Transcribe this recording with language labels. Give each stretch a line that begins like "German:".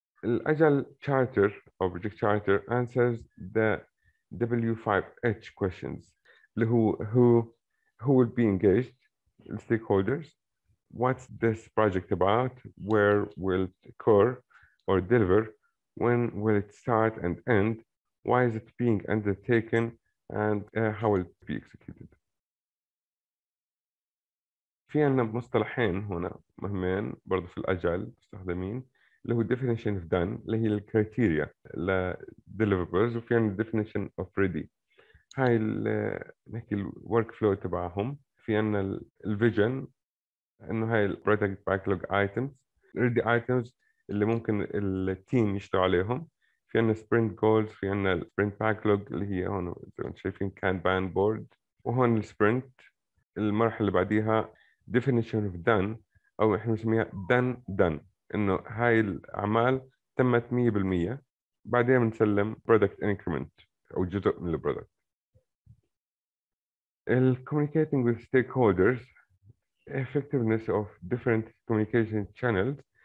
English: ال agile charter or project charter answers the W5H questions،
Arabic: اللي هو
English: who will be engaged, stakeholders, what's this project about, where will it occur or deliver, when will it start and end, why is it being undertaken, and how will it be executed.
Arabic: في عندنا مصطلحين هنا مهمين برضو في الأجل مستخدمين، اللي هو definition of done اللي هي الكريتيريا لديليفربرز، وفي عندنا definition of ready. هاي نحكي الورك فلو تبعهم. في عندنا الفيجن انه هاي البروجكت باك لوج ايتمز، ريدي ايتمز اللي ممكن التيم يشتغل عليهم. في عندنا سبرنت جولز، في عندنا سبرنت باك لوج اللي هي هون شايفين كان بان بورد، وهون السبرنت المرحله اللي بعديها ديفينيشن اوف دان، او احنا بنسميها دان دان، انه هاي الاعمال تمت 100%، بعدين بنسلم برودكت انكريمنت او جزء من البرودكت.
English: ال communicating with stakeholders, effectiveness of different communication channels.